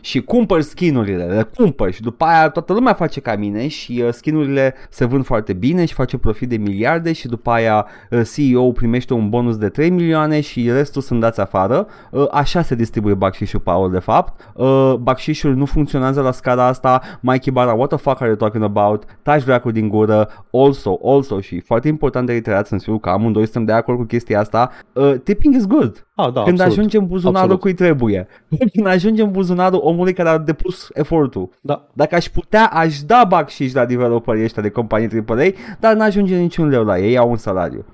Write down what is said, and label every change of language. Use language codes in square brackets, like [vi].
[ro] Și cumpăr skinurile, le cumpăr și după aia toată lumea face ca mine și skinurile se vând foarte bine și face profit de miliarde și după aia CEO-ul primește un bonus de 3 milioane și restul sunt dați afară. Așa se distribuie bacșișul, Paul, de fapt. Bacșișul nu funcționează la scara asta. [en] Mikey Barra, what the fuck are you talking about? [ro] Tași dracul din gură. [en] Also, [ro] și foarte important de reiterat, sunt sigur că amândoi suntem de acord cu chestia asta. [en] Tipping is good. [ro] Da, când absolut. Ajungem buzunarul cui trebuie. Când ajungem buzunarul omului care a depus efortul. Da. Dacă aș putea, aș da bacșiș la developerii ăștia de companii AAA, dar n-ajunge niciun leu la ei, au un salariu.